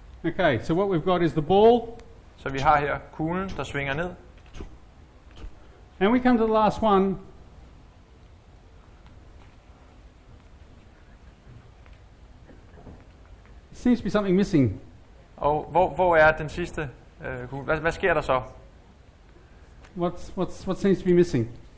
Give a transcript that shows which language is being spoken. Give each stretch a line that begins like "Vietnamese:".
English: Okay. So what we've got is the ball.
Danish: Så vi har her kuglen, der svinger ned.
English: And we come to the last one. Seems to be something missing.
Danish: Og hvor er den sidste kugle? Hvad sker der så?
English: What seems to be missing?